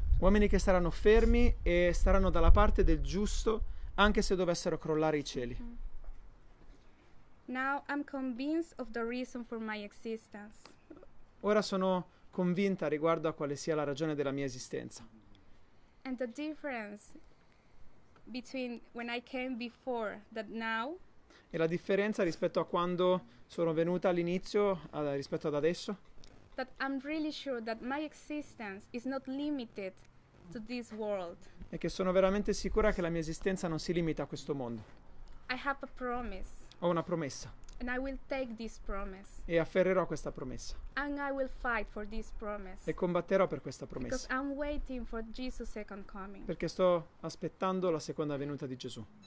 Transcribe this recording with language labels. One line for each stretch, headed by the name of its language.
Italian: Uomini che saranno fermi e staranno dalla parte del giusto anche se dovessero crollare i cieli.
English: Now I'm convinced of the reason for my existence.
Italian: Ora sono convinta riguardo a quale sia la ragione della mia esistenza.
English: And the difference between when I came before that now.
Italian: E la differenza rispetto a quando sono venuta all'inizio rispetto ad adesso.
English: That I'm really sure that my existence is not limited to this world.
Italian: E che sono veramente sicura che la mia esistenza non si limita a questo mondo.
English: I have a promise.
Italian: Ho una promessa.
English: And I will take this promise.
Italian: E afferrerò questa promessa.
English: And I will fight for this promise.
Italian: E combatterò per questa promessa.
English: Because I'm waiting for Jesus' second coming.
Italian: Perché sto aspettando la seconda venuta di Gesù.